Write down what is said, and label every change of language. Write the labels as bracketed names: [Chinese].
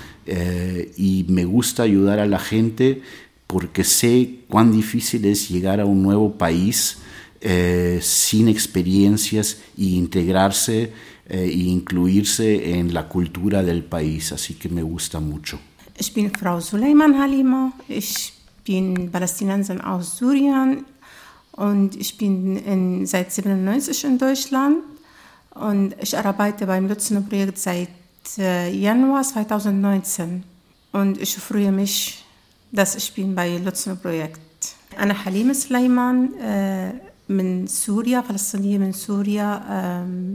[Spanish] Y me gusta ayudar a la gente porque sé cuán difícil es llegar a un nuevo país sin experiencias e integrarse e incluirse en la cultura del país, así que me gusta mucho. [German] Ich bin Frau Suleiman Halima, ich bin Palästinenserin aus Syrien und ich bin seit 1997 in Deutschland und ich arbeite beim Lotsen-Projekt seit Januar 2019 und ich freue mich, dass ich bin bei Lotsen-Projekt. [Arabic] Anna Halima Suleiman, من سوريا فلسطينية من سوريا